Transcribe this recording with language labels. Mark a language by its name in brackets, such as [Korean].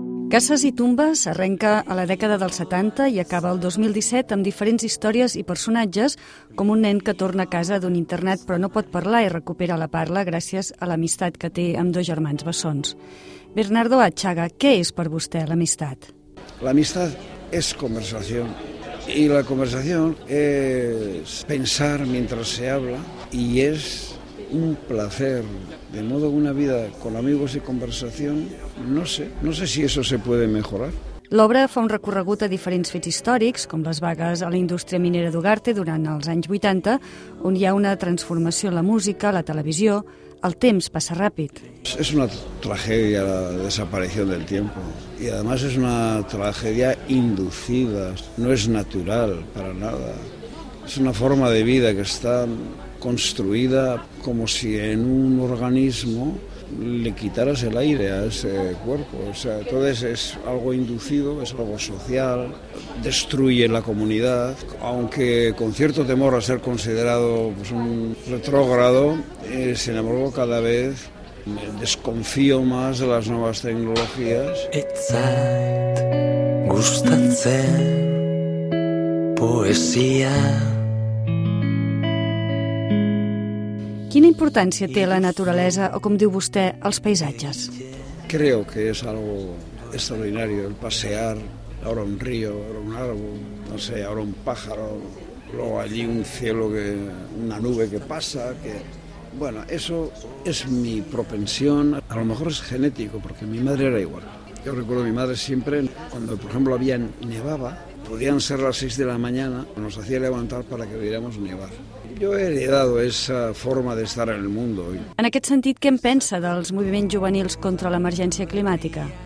[Catalan] Cases i tumbes arrenca a la dècada dels 70 i acaba el 2017 amb diferents històries i personatges, com un nen que torna a casa d'un internat però no pot parlar i recupera la parla gràcies a l'amistat que té amb dos germans bessons. Bernardo Atxaga, què és per vostè l'amistat? L'amistat és conversació. I la conversació és pensar mentre [Spanish] se habla [Catalan] i és un placer. [Spanish] De modo una vida con amigos y conversación, no sé si eso se puede mejorar. [Catalan] L'obra fa un recorregut a diferents fets històrics, com les vagues a la indústria minera d'Ugarte durant els anys 80, on hi ha una transformació en la música, la televisió, el temps passa ràpid. És una tragèdia la desaparició del temps. I, [Spanish] además, [Catalan] és una tragèdia inducida. No és natural, [Spanish] para nada. [Catalan] És una forma de vida que està construïda com si en un organisme [Spanish] le quitaras el aire a ese cuerpo. O sea, entonces es algo inducido, es algo social, destruye la comunidad. Aunque con cierto temor a ser considerado pues, un retrógrado, sin embargo, cada vez me desconfío más de las nuevas tecnologías. [Basque] Etzait gustatzen poesía. [Catalan] Quina importància té la naturalesa o, com diu vostè, els paisatges? [Spanish] Creo que es algo extraordinario el pasear ahora un río, ahora un árbol, no sé, ahora un pájaro, luego allí un cielo, una nube que pasa. Bueno, eso es mi propensión. A lo mejor es genético, porque mi madre era igual. Yo recuerdo a mi madre siempre, cuando, por ejemplo, había nevaba, podían ser las 6 de la mañana, nos hacía levantar para que viéramos nevar. [Catalan] Jo he heredat aquesta forma d'estar en el món. En aquest sentit, què en pensa dels moviments juvenils contra l'emergència climàtica?